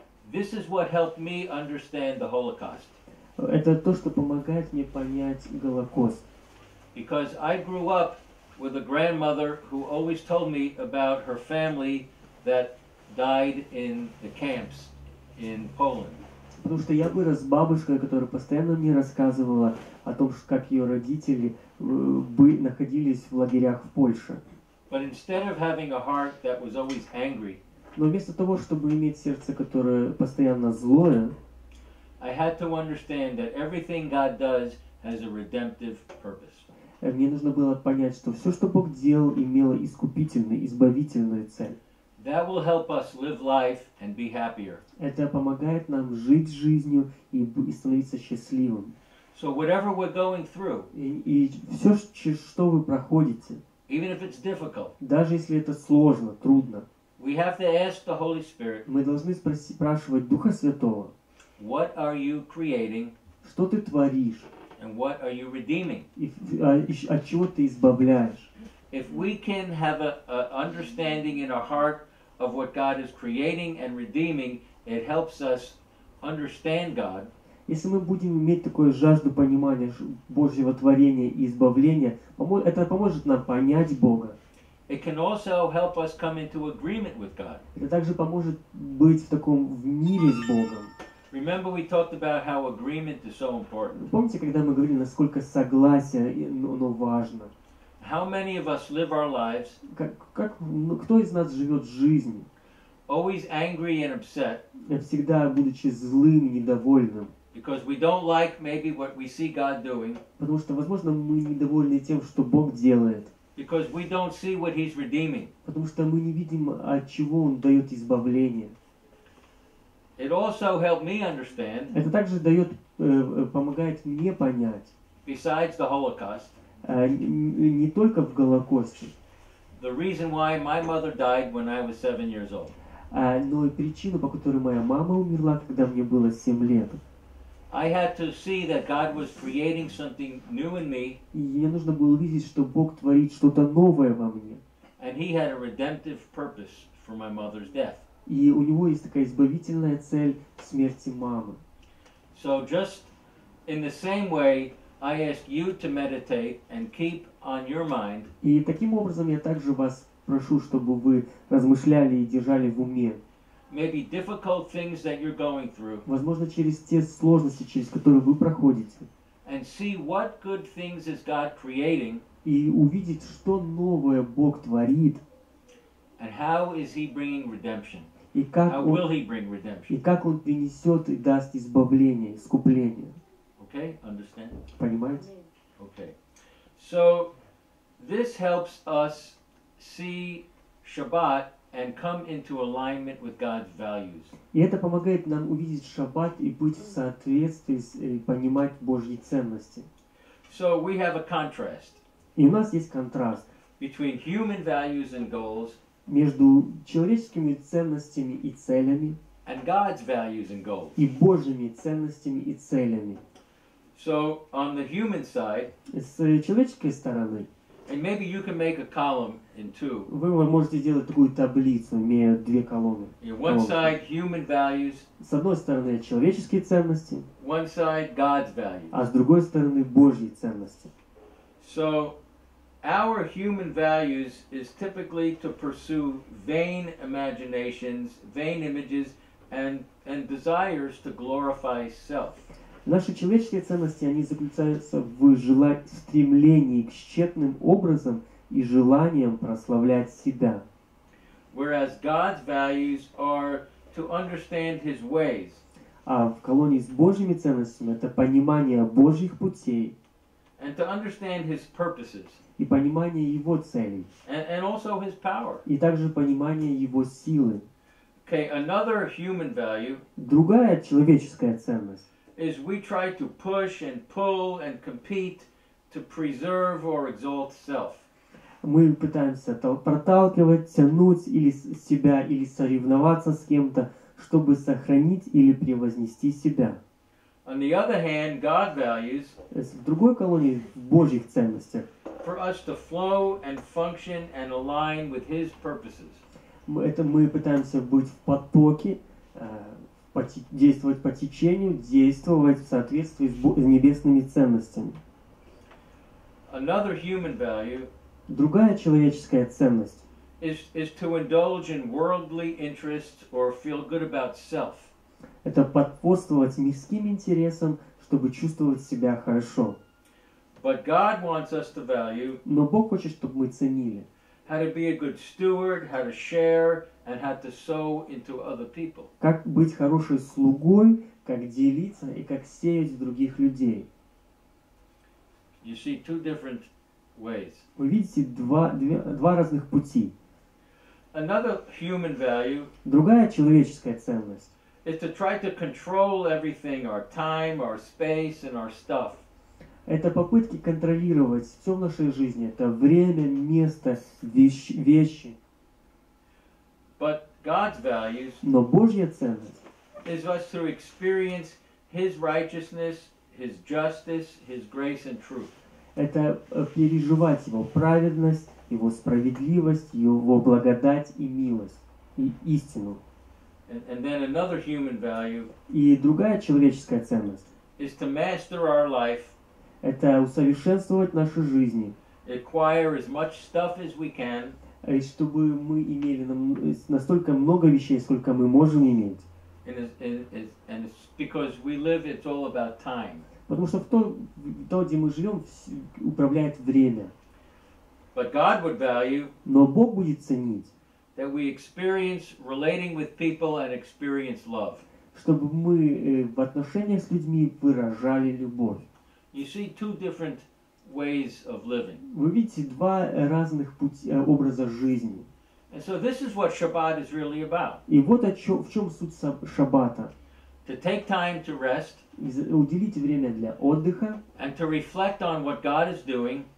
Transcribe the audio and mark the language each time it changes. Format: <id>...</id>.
<en>This is what helped me understand the Holocaust.</en> <ru>Это то, что помогает мне понять Голокост.</ru> <en>Because I grew up with a grandmother who always told me about her family that died in the camps in Poland.</en> <ru>Потому что я вырос с бабушкой, которая постоянно мне рассказывала о том, как ее родители находились в лагерях в Польше.</ru> <en>But instead of having a heart that was always angry,</en> <ru>но вместо того, чтобы иметь сердце, которое постоянно злое,</ru> <en>I had to understand that everything God does has a redemptive purpose.</en> <ru>Мне нужно было понять, что все, что Бог делал, имело искупительную, избавительную цель.</ru> <en>That will help us live life and be happier.</en> <ru>Это помогает нам жить жизнью и становиться счастливым.</ru> <en>So whatever we're going through,</en> <ru>и все, через что вы проходите,</ru> <en>even if it's difficult,</en> <ru>даже если это сложно, трудно,</ru> <en>we have to ask the Holy Spirit,</en> <ru>мы должны спрашивать Духа Святого,</ru> <en>what are you creating,</en> <ru>что ты творишь,</ru> <en>and what are you redeeming?</en> <ru>И от чего ты избавляешь.</ru> <en>If we can have a understanding in our heart of what God is creating and redeeming, it helps us understand God.</en> <ru>Если мы будем иметь такую жажду понимания Божьего творения и избавления, это поможет нам понять Бога.</ru> <en>It can also help us come into agreement with God.</en> <ru>Это также поможет быть в таком в мире с Богом.</ru> <en>Remember we talked about how agreement is so important.</en> <ru>Помните, когда мы говорили, насколько согласие оно важно?</ru> <en>How many of us live our lives?</en> <ru>Кто из нас живет жизнь?</ru> <en>Always angry and upset.</en> <ru>Всегда будучи злым и недовольным.</ru> <en>Because we don't like maybe what we see God doing.</en> <ru>Потому что, возможно, мы недовольны тем, что Бог делает.</ru> <en>Because we don't see what He's redeeming.</en> <ru>Потому что мы не видим, от чего Он дает избавление.</ru> <en>It also helped me understand.</en> <ru>Это также дает, помогает мне понять.</ru> <en>Besides the Holocaust.</en> <ru>Не только в Голокосте.</ru> <en>The reason why my mother died when I was 7 years old.</en> <ru>Но и причину, по которой моя мама умерла, когда мне было 7 лет.</ru> <en>I had to see that God was creating something new in me.</en> <ru>И мне нужно было видеть, что Бог творит что-то новое во мне.</ru> <en>And He had a redemptive purpose for my mother's death.</en> <ru>И у него есть такая избавительная цель смерти мамы.</ru> <en>So just in the same way, I ask you to meditate and keep on your mind.</en> <ru>И таким образом я также вас прошу, чтобы вы размышляли и держали в уме.</ru> <en>Maybe difficult things that you're going through.</en> <ru>Возможно, через те сложности, через которые вы проходите.</ru> <en>And see what good things is God creating.</en> <ru>И увидеть, что новое Бог творит.</ru> <en>And how is He bringing redemption?</en> <ru>И как</ru> <en>how</en> <ru>он,</ru> <en>will He bring redemption?</en> <ru>И как Он принесет и даст избавление, искупление.</ru> <en>Okay, understand?</en> <ru>Понимаете?</ru> <en>Okay. So this helps us see Shabbat and come into alignment with God's values.</en> <ru>И это помогает нам увидеть Шаббат и быть в соответствии с и понимать Божьи ценности.</ru> <en>So we have a contrast.</en> <ru>И у нас есть контраст</ru> <en>between human values and goals</en> <ru>между человеческими ценностями и целями</ru> <en>and God's values and goals.</en> <ru>И Божьими ценностями и целями.</ru> <en>So on the human side,</en> <ru>с человеческой стороны,</ru> <en>and maybe you can make a column in two.</en> <ru>Вы можете сделать такую таблицу, имея две колонны.</ru> <en>One side human values.</en> <ru>С одной стороны человеческие ценности.</ru> <en>One side God's values.</en> <ru>А с другой стороны Божьи ценности.</ru> <en>So our human values is typically to pursue vain imaginations, vain images, and desires to glorify self.</en> <ru>Наши человеческие ценности, они заключаются в стремлении к тщетным образам и желаниям прославлять себя.</ru> <en>Whereas God's values are to understand His ways.</en> <ru>А в колонии с Божьими ценностями это понимание Божьих путей.</ru> <en>And to understand His purposes.</en> <ru>И понимание Его целей.</ru> <en>And also His power.</en> <ru>И также понимание Его силы.</ru> <en>Okay, another human value.</en> <ru>Другая человеческая ценность.</ru> <en>Is we try to push and pull and compete to preserve or exalt self.</en> <ru>Мы пытаемся проталкивать, тянуть или себя или соревноваться с кем-то, чтобы сохранить или превознести себя.</ru> <en>On the other hand, God values.</en> <ru>В другой колонии, в Божьих ценностях.</ru> <en>For us to flow and function and align with His purposes.</en> <ru>Это мы пытаемся быть в потоке, действовать по течению, действовать в соответствии с небесными ценностями.</ru> <en>Another human value.</en> <ru>Другая человеческая ценность.</ru> <en>Is to indulge in worldly interests or feel good about self.</en> <ru>Это подпорствовать мирским интересам, чтобы чувствовать себя хорошо.</ru> <en>But God wants us to value.</en> <ru>Но Бог хочет, чтобы мы ценили.</ru> <en>How to be a good steward, how to share, and how to sow into other people.</en> <ru>Как быть хорошей слугой, как делиться и как сеять в других людей.</ru> <en>You see two different ways.</en> <ru>Вы видите два разных пути.</ru> <en>Another human value.</en> <ru>Другая человеческая ценность.</ru> <en>Is to try to control everything, our time, our space, and our stuff.</en> <ru>Это попытки контролировать все в нашей жизни. Это время, место, вещи.</ru> <en>But God's values.</en> <ru>Но Божья ценность.</ru> <en>Is us to experience His righteousness, His justice, His grace and truth.</en> <ru>Это переживать Его праведность, Его справедливость, Его благодать и милость, и истину.</ru> <en>And then another human value.</en> <ru>И другая человеческая ценность.</ru> <en>Is to master our life.</en> <ru>Это усовершенствовать наши жизни.</ru> <en>Acquire as much stuff as we can.</en> <ru>И чтобы мы имели настолько много вещей, сколько мы можем иметь.</ru> <en>And it's because we live, it's all about time.</en> <ru>Потому что то, где мы живем, управляет время.</ru> <en>But God would value.</en> <ru>Но Бог будет ценить.</ru> <en>That we experience relating with people and experience love.</en> <ru>Чтобы мы в отношениях с людьми выражали любовь.</ru> <en>You see two different ways of living.</en> <ru>Вы видите два разных пути образа жизни.</ru> <en>And so this is what Shabbat is really about.</en> <ru>И вот в чем суть Шаббата.</ru> <en>To take time to rest.</en> <ru>Уделить время для отдыха.</ru> <en>And to reflect on what God is doing.</en>